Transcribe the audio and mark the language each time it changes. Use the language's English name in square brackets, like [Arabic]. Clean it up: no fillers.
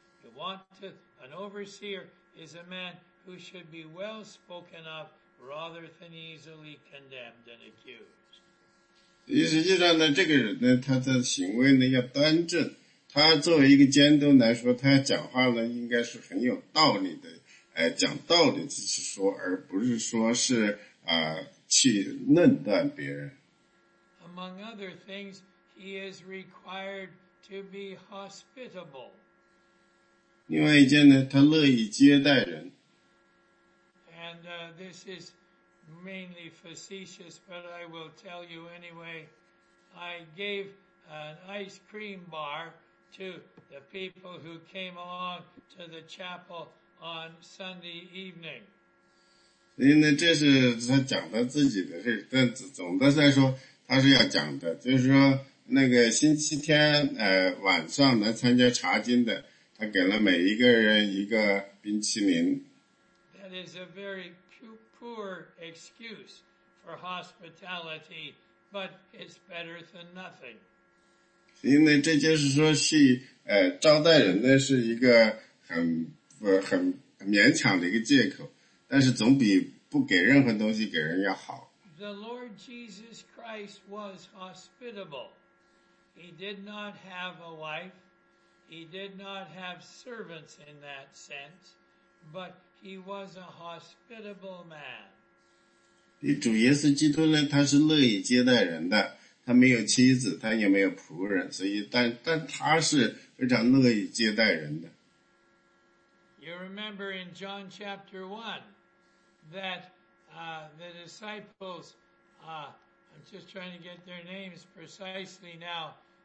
[English] You want to, an overseer is a man who should be well spoken of rather than easily condemned and accused. [Chinese] 实际上呢，这个人呢，他的行为呢要端正。他作为一个监督来说，他讲话呢应该是很有道理的，讲道理的去说，而不是说是去论断别人。 [English] Among other things, he is required to be hospitable. [Chinese] 另外一件呢，他乐意接待人。 [English] And this is mainly facetious, but I will tell you anyway. I gave an ice cream bar to the people who came along to the chapel on Sunday evening. [Chinese] 所以呢，这是他讲他自己的事，但总的来说他是要讲的，就是说那个星期天晚上来参加查经的，他给了每一个人一个冰淇淋。 [English] That is a very poor excuse for hospitality, but it's better than nothing. [Chinese] 因为这就是说是招待人呢是一个很勉强的一个借口，但是总比不给任何东西给人要好。 [English] The Lord Jesus Christ was hospitable. He did not have a wife. He did not have servants in that sense, but he was a hospitable man. [Chinese] 主耶稣基督呢，他是乐意接待人的。他没有妻子，他也没有仆人，所以但他是非常乐意接待人的。 [English] You remember in John chapter 1 that the disciples, I'm just trying to get their names precisely now.